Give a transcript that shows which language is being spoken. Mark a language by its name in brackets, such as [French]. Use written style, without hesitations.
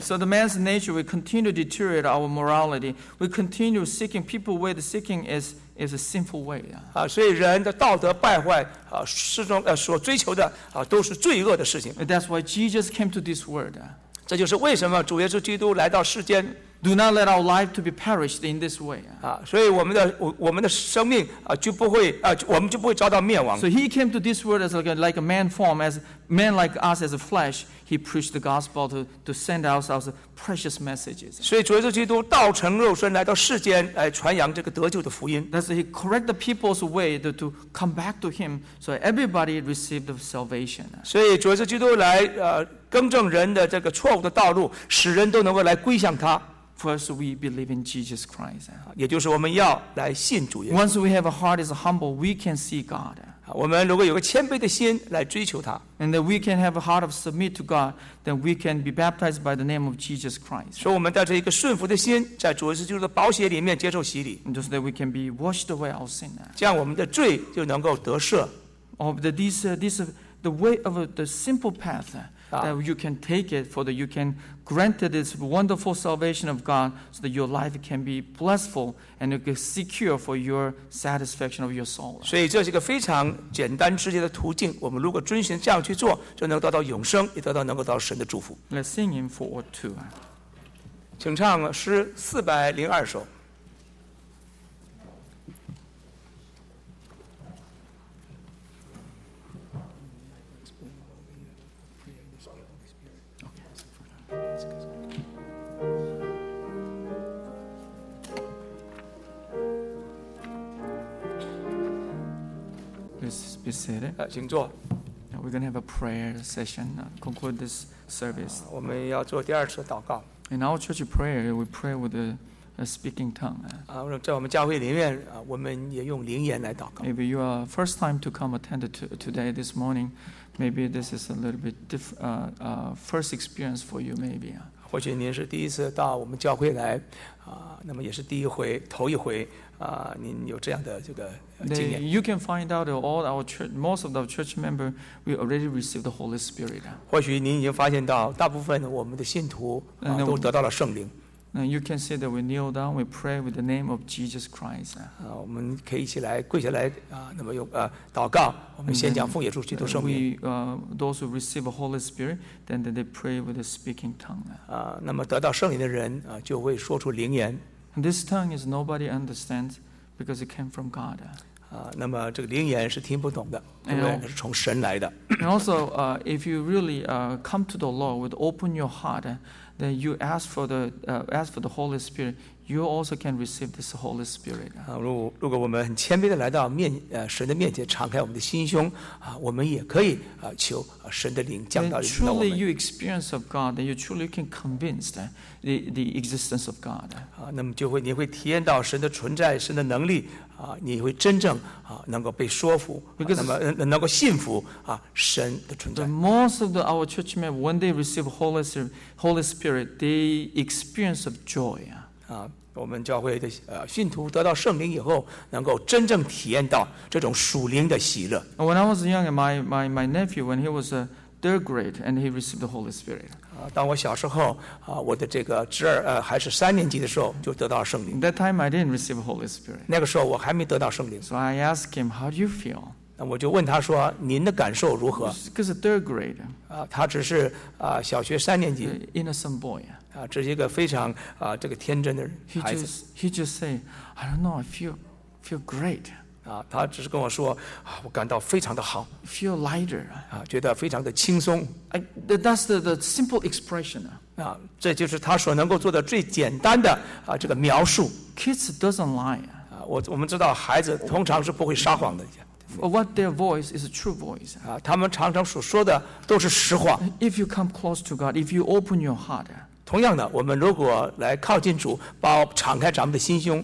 [English] So the man's nature we continue to deteriorate our morality. We continue seeking people where the seeking is. It's a sinful way. [Chinese] 所以人的道德败坏所追求的都是罪恶的事情。 [English] That's why Jesus came to this world. [Chinese] 这就是为什么主耶稣基督来到世间。 [English] Do not let our life to be perished in this way. [Chinese] 所以我们的生命我们就不会遭到灭亡。 [English] So he came to this world as like a man form, as man like us as a flesh. He preached the gospel to send out our precious messages. [Chinese] 所以主耶稣基督道成肉身来到世间来传扬这个得救的福音。 [English] That's he correct the people's way to come back to him, so everybody received salvation. [Chinese] 所以主耶稣基督来更正人的这个错误的道路，使人都能够来归向他。 [English] First, we believe in Jesus Christ. [Chinese] 也就是我们要来信主耶稣。 [English] Once we have a heart is humble, we can see God. [Chinese] 我们如果有个谦卑的心来追求他。 [English] And that we can have a heart of submit to God, then we can be baptized by the name of Jesus Christ. [Chinese] 所以我们带着一个顺服的心，在主耶稣基督的宝血里面接受洗礼。 [English] And so that we can be washed away our sin. [Chinese] 这样我们的罪就能够得赦。 [English] Of that this the way of the simple path. That you can take it for that you can grant this wonderful salvation of God so that your life can be blissful and secure for your satisfaction of your soul. [Chinese] 所以这是一个非常简单直接的途径，我们如果遵循这样去做，就能得到永生，也得到能够得到神的祝福。 [English] Let's sing in 402. [Chinese] 请唱诗402首。 [English] Be seated. [Chinese] 请坐。 [English] We're going to have a prayer session, conclude this service. [Chinese] 我们要做第二次祷告。 [English] In our church prayer, we pray with a speaking tongue. [Chinese] 在我们教会里面，我们也用灵言来祷告。 [English] If you are first time to come attend today, this morning, maybe this is a little bit first experience for you, maybe. [Chinese] 或许您是第一次到我们教会来，那么也是第一回，头一回。您有这样的这个经验。 [English] You can find out all our church, most of our church members, we already received the Holy Spirit. [Chinese] 或许您已经发现到，大部分我们的信徒都得到了圣灵。 [English] And you can see that we kneel down, we pray with the name of Jesus Christ. [Chinese] 我们可以一起来跪下来那么用祷告。我们先讲奉耶稣基督圣名。 [English] Those who receive the Holy Spirit, then they pray with a speaking tongue. [Chinese] 那么得到圣灵的人就会说出灵言。 [English] And this tongue is nobody understands because it came from God. [Chinese] 那么这个灵言是听不懂的，灵言是从神来的。 [English] And also, if you really come to the Lord with open your heart, then you ask for the Holy Spirit, you also can receive this Holy Spirit. [Chinese] 如果我们很谦卑的来到神的面前，敞开我们的心胸我们也可以求神的灵降到我们。 [English] Truly, you experience of God, then you truly can convince that. The existence of God. [Chinese] 那么就会你会体验到神的存在，神的能力你会真正能够被说服，那么能够信服神的存在。 [English] Most of our churchmen, when they receive Holy Spirit, they experience of joy. [Chinese] 我们教会的信徒得到圣灵以后，能够真正体验到这种属灵的喜乐。 [English] When I was young, my nephew, when he was a third grade, and he received the Holy Spirit. [Chinese] 当我小时候，我的这个侄儿，还是三年级的时候，就得到圣灵。 [English] That time I didn't receive Holy Spirit. [Chinese] 那个时候我还没得到圣灵。 [English] So I asked him, "How do you feel?" [Chinese] 那我就问他说，您的感受如何 [English] ？Because third grade. [Chinese] 他只是小学三年级。 [English] Innocent boy. [Chinese] 这是一个非常这个天真的孩子。 [English] He just say, "I don't know. I feel great." [Chinese] 他只是跟我说，我感到非常的好。 [English] Feel lighter. [Chinese] 觉得非常的轻松。 [English] That's the simple expression. [Chinese] 这就是他所能够做的最简单的这个描述。 [English] Kids doesn't lie. [Chinese] 我们知道孩子通常是不会撒谎的。 [English] What their voice is a true voice. [Chinese] 他们常常所说的都是实话。 [English] If you come close to God, if you open your heart. [Chinese] 同样的，我们如果来靠近主，敞开咱们的心胸